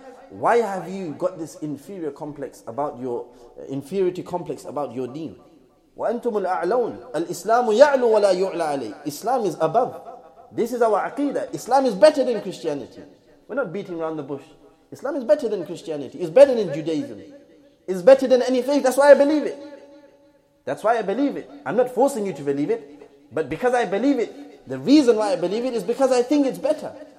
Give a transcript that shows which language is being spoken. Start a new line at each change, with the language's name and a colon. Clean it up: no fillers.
English: Why have you got this inferior complex about your inferiority complex about your deen?
Arabic: وأنتم الأعلون الإسلام يعلو ولا يعلى عليه.
English: Islam is above. This is our aqeedah. Islam is better than Christianity. We're not beating around the bush. Islam is better than Christianity. It's better than Judaism. It's better than any faith. That's why I believe it. I'm not forcing you to believe it, but because I believe it, the reason why I believe it is because I think it's better.